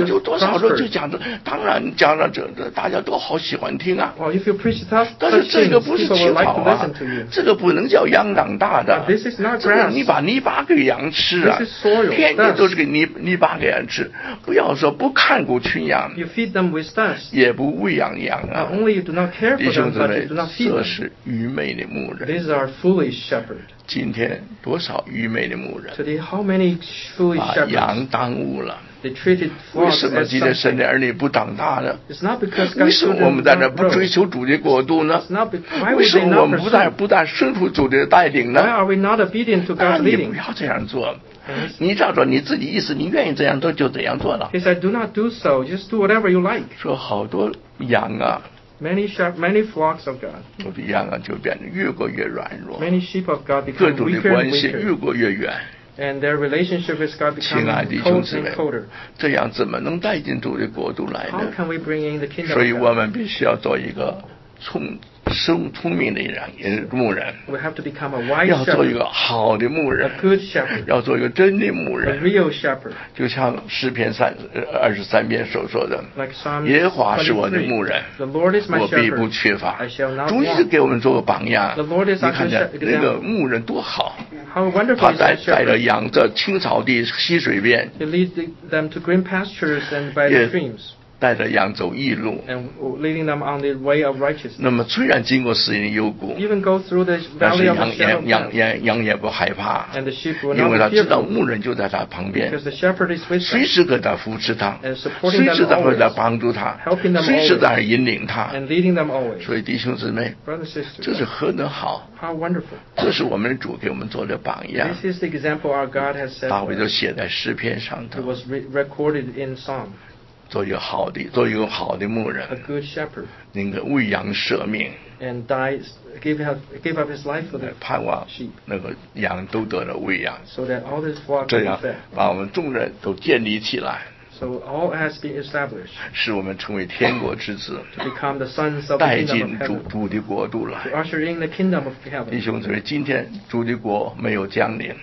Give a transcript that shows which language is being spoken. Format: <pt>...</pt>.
<zh>那就多少说就讲的，当然讲了这大家都好喜欢听啊。</zh> <en>Well, if you preach such things,</en> <zh>但是这个不是青草啊，这个不能叫羊长大的。</zh> <en>This is not grass.</en> <zh>这个你把泥巴给羊吃啊。</zh> <en>This is soil.</en> <zh>天天都是给泥巴给羊吃，不要说不看顾群羊。</zh> <en>You feed them with dust.</en> <zh>也不喂养羊啊。</zh> <en>Only you do not care for them, but you do not feed them.</en> <zh>这是愚昧的牧人。</zh> <en>These are foolish shepherds.</en> <zh>今天多少愚昧的牧人</zh> <en>？Today, how many foolish shepherds?</en> <zh>把羊耽误了。</zh> <en>They treated flocks as something.</en> <zh>为什么今天神的儿女不长大呢？</zh> <en>It's not because God's children.</en> <zh>为什么我们在那不追求主的国度呢？</zh> <en>It's not because.</en> <zh>为什么我们不但顺服主的带领呢？</zh> <en>Why are we not obedient to God's leading?</en> <zh>那你不要这样做。你照着你自己意思，你愿意怎样做就怎样做了。</zh> <en>He said, "Do not do so. Just do whatever you like."</en> <zh>说好多羊啊。</zh> <en>Many flocks of God.</en> <zh>我的羊啊，就变得越过越软弱。</zh> <en>Many sheep of God become weaker and weaker.</en> <zh>各种的关系越过越远。</zh> <en>And their relationship with God becomes colder and colder.</en> <zh>这样怎么能带进主的国度来呢？</zh> <en>How can we bring in the kingdom?</en> <zh>所以我们必须要做一个聪明的人，也是牧人。</zh> <en>We have to become a wise shepherd.</en> <zh>要做一个好的牧人。</zh> <en>A good shepherd.</en> <zh>要做一个真的牧人。</zh> <en>A real shepherd.</en> <zh>就像诗篇23篇所说的。</zh> <en>Like Psalm 23.</en> <zh>耶和华是我的牧人。</zh> <en>The Lord is my shepherd.</en> <zh>我必不缺乏。</zh> <en>I shall not lack.</en> <zh>主一直给我们做个榜样。</zh> <en>The Lord is our shepherd.</en> <zh>你看见那个牧人多好。</zh> <en>How wonderful is that shepherd.</en> <zh>他带着羊在青草地溪水边。</zh> <en>He leads them to green pastures and by the streams.</en> <zh>带着羊走义路</zh> <en>and leading them on the way of righteousness.</en> <zh>那么虽然经过死荫幽谷</zh> <en>even go through the valley of the shadow of death,</en> <zh>羊也不害怕</zh> <en>and the sheep will not</en> <zh>因为他知道牧人就在他旁边</zh> <en>because the shepherd is with them,</en> <zh>随时可以在扶持他</zh> <en>and supporting them always,</en> <zh>随时在帮助他</zh> <en>helping them always,</en> <zh>随时在引领他</zh> <en>and leading them always.</en> <zh>所以弟兄姊妹</zh> <en>brothers and sisters,</en> <zh>这是何等好</zh> <en>how wonderful.</en> <zh>这是我们主给我们做的榜样</zh> <en>this is the example our God has set</en> <zh>大卫就写在诗篇上头</zh> <en>it was recorded in Psalm.</en> <zh>做一个好的牧人</zh> <en>a good shepherd,</en> <zh>那个为羊舍命</zh> <en>and dies, gave up his life for the sheep,</en> <zh>盼望那个羊都得了喂养</zh> <en>so that all this flock</en> <zh>这样把我们众人都建立起来</zh> <en>so all has been established,</en> <zh>使我们成为天国之子</zh> <en>to become the sons of the kingdom</en> <zh>带进主的国度来</zh> <en>to usher in the kingdom of heaven</en> <zh>弟兄姊妹今天主的国没有降临</zh>